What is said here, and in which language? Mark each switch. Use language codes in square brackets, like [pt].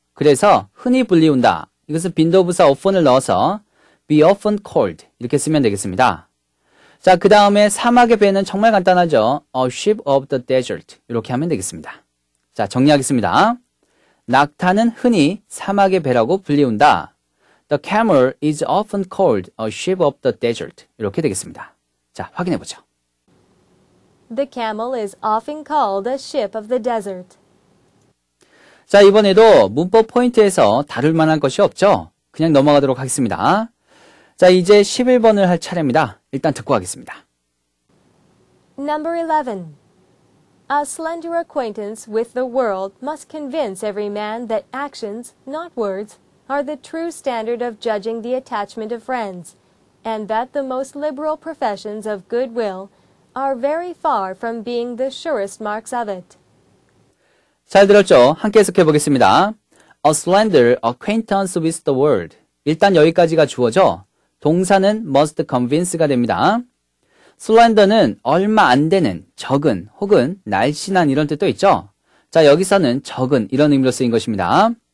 [ko] 그래서 흔히 불리운다. 이것은 빈도부사 often을 넣어서 [en] be often called [ko] 이렇게 쓰면 되겠습니다. 자, 그 다음에 사막의 배는 정말 간단하죠. [en] a ship of the desert [ko] 이렇게 하면 되겠습니다. 자, 정리하겠습니다. 낙타는 흔히 사막의 배라고 불리운다. [en] The camel is often called a ship of the desert. [ko] 이렇게 되겠습니다. 자, 확인해 보죠. [en] The camel is often called a ship of the desert. [ko] 자, 이번에도 문법 포인트에서 다룰 만한 것이 없죠? 그냥 넘어가도록 하겠습니다. 자, 이제 11번을 할 차례입니다. 일단 듣고 가겠습니다. [en] Number 11. A slender acquaintance with the world must convince every man that actions, not words, are the true standard of judging the attachment of friends, and that the most liberal professions of goodwill are very far from being the surest marks of it. [ko] 잘 들었죠? 함께 해석해 보겠습니다. [en] A slender acquaintance with the world. [ko] 일단 여기까지가 주어죠. 동사는 [en] must convince [ko] 가 됩니다. slender는 얼마 안 되는, 적은, 혹은 날씬한 이런 뜻도 있죠. 자, 여기서는 적은 이런 의미로 쓰인 것입니다.